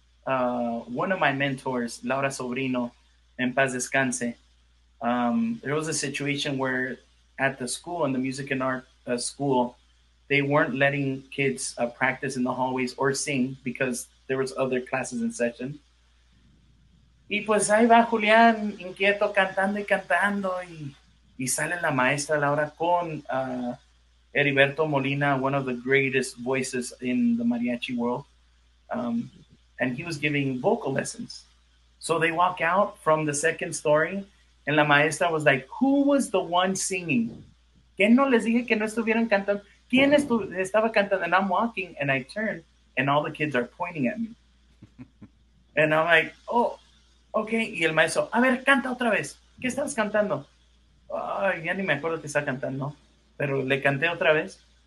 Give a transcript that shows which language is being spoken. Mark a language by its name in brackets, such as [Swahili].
[English] One of my mentors, Laura Sobrino, [Spanish] en paz descanse, [English] there was a situation where at the school, in the music and art school, they weren't letting kids practice in the hallways or sing because there was other classes in session. [Spanish] Y pues ahí va Julián, inquieto, cantando y cantando. Y sale la maestra Laura con Heriberto Molina, [English] one of the greatest voices in the mariachi world. And he was giving vocal lessons. So they walk out from the second story. And la maestra was like, who was the one singing? [Spanish] ¿Que no les dije que no estuvieran cantando? ¿Quién estaba cantando? [English] And I'm walking and I turn and all the kids are pointing at me. And I'm like, oh. [Spanish] Okay, y el maestro, a ver, canta otra vez. ¿Qué estás cantando? Ay, ya ni me acuerdo que estaba cantando, pero le canté otra vez.